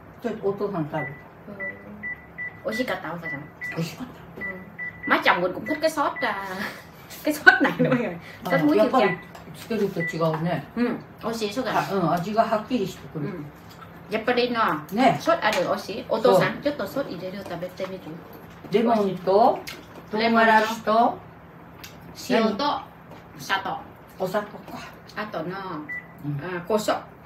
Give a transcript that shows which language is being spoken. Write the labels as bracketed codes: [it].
[ja] ちょっとお父さん食べた。美味しかった、お母さん。美味しかった。 [vi] マちゃん、 [ja] 俺 [vi] cũng thích cái sốt à. Cái sốt này nữa mọi người. Sốt muối thịt chà. [ja] つけると違うね。うん、おいしい、そうだ。うん、味がはっきりしてくる。やっぱりな。ね。ソースある、おいしい。お父さん、ちょっとソース入れる、食べてみる。レモンと、トレマラシと、塩と、砂糖。お砂糖か。あとな、胡椒。